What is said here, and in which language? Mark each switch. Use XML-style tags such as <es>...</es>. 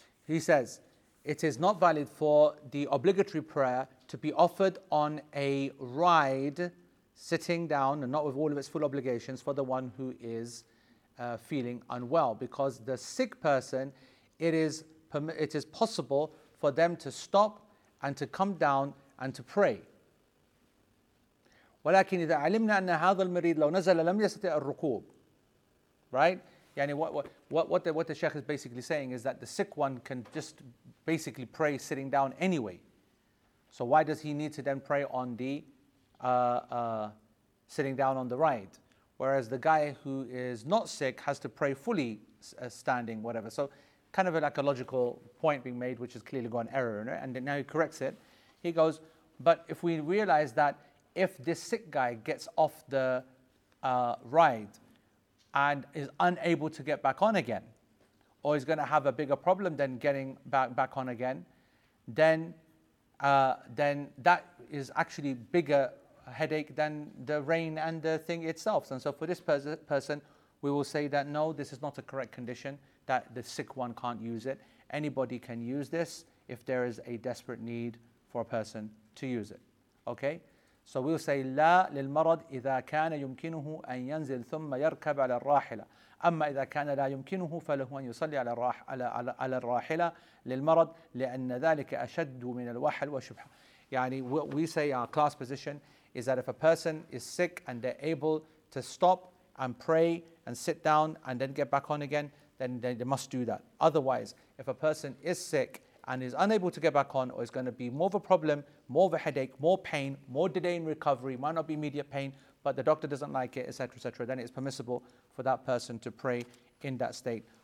<en>He says, it is not valid for the obligatory prayer to be offered on a ride sitting down and not with all of its full obligations for the one who is feeling unwell, because the sick person, it is possible for them to stop and to come down and to pray.</en> <ar>ولكن إذا علمنا أن هذا المريض لو نزل لم يستطيع الركوب, right?</ar> <en>Yani what the Sheikh is basically saying is that the sick one can just basically pray sitting down anyway. So why does he need to then pray on the sitting down on the ride? Whereas the guy who is not sick has to pray fully standing, whatever. So kind of like a logical point being made, which is clearly got an error in it. And then now he corrects it. He goes, but if we realize that if this sick guy gets off the ride and is unable to get back on again, or is going to have a bigger problem than getting back on again, then that is actually bigger headache than the rain and the thing itself. And so for this person, we will say that no, this is not a correct condition, that the sick one can't use it. Anybody can use this if there is a desperate need for a person to use it. Okay? So we'll say,</en> <ar>لا للمرض إذا كان يمكنه أن ينزل ثم يركب على الراحلة. أما إذا كان لا يمكنه فله أن يصلي على الراحلة للمرض لأن ذلك أشد من الوحل وشبحة.</ar> <en>يعني we say our class position is that if a person is sick and they're able to stop and pray and sit down and then get back on again, then they must do that. Otherwise, if a person is sick and is unable to get back on, or is going to be more of a problem, more of a headache, more pain, more delay in recovery, might not be immediate pain, but the doctor doesn't like it, etc., then it's permissible for that person to pray in that state.</en>